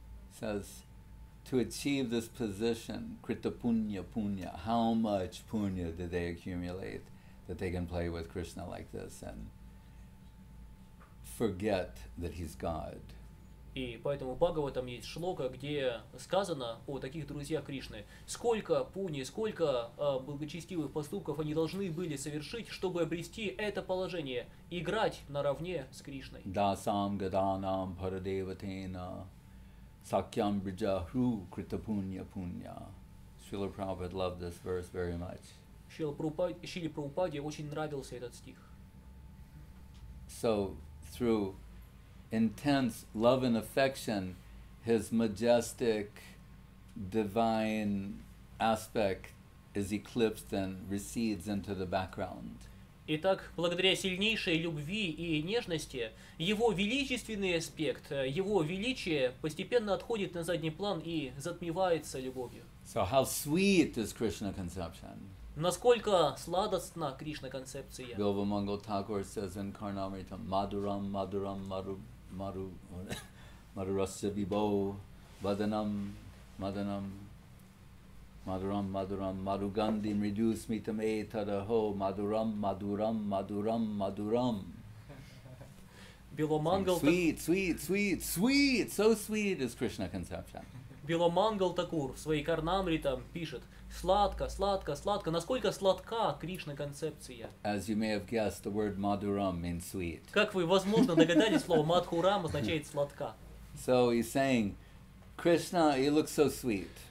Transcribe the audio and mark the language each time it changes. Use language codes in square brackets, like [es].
[en] says, to achieve this position, [sa] krita punya, punya, [en] how much punya did they accumulate that they can play with Krishna like this and forget that he's God? [ru] И поэтому в Бхагаватам есть шлока, где сказано о таких друзьях Кришны. Сколько пуни, сколько благочестивых поступков они должны были совершить, чтобы обрести это положение, играть наравне с Кришной. [sa] Дасам гаданам парадеватена сакьям бриджахру крита пунья пунья. [en] Шрила Прабхупада loved this verse very much. [ru] Шрила Прабхупаде очень нравился этот стих. [en] So, through intense love and affection, his majestic divine aspect is eclipsed and recedes into the background. [ru] Итак, благодаря сильнейшей любви и нежности, его величественный аспект, его величие постепенно отходит на задний план и затмевается любовью. [en] So how sweet is Krishna conception? [ru] Насколько сладостна Кришна концепция? [en] Bilva Mangal Thakur says in Karnamrita, [sa] Madhuram, Madhuram, Madhuram. Maru, Madurasya Vibho, Vadanam, Madanam, Madhuram, Madhuram, Madhugandhi, Mridu Smitam Etadaho, Madhuram, Madhuram, Madhuram, Madhuram. [ru] Биломангал, [en] sweet, sweet, sweet, sweet, so sweet is Krishna conception. [ru] Биломангал Такур в своей Карнамритам пишет: сладко, сладко, сладко, насколько сладка Кришна концепция. [en] As you may have guessed, the word madhuram means sweet. [ru] Как вы, возможно, догадались, слово madhuram означает сладка. [en] So he's saying, Krishna, he looks so sweet.